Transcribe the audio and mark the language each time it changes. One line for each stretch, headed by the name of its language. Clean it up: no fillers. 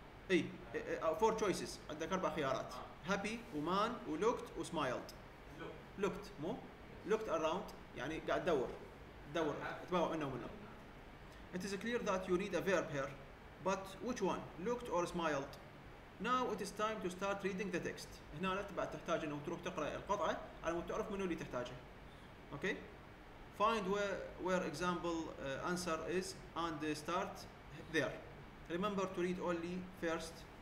Arabic: اي فور تشويسز عندك 4 خيارات هابي ومان ولوكت وسمايلد لوكت مو لوكت اراوند يعني قاعد تدور تباوع منه ومنه.
English: It is clear that you need a verb here but which one looked or smiled. Now it is time to start reading the text.
Arabic: هنا لا تبقى تحتاج انه تروح تقرا القطعه على مود تعرف منو اللي تحتاجه.
English: Okay find where example answer is and start there. Remember to read only first.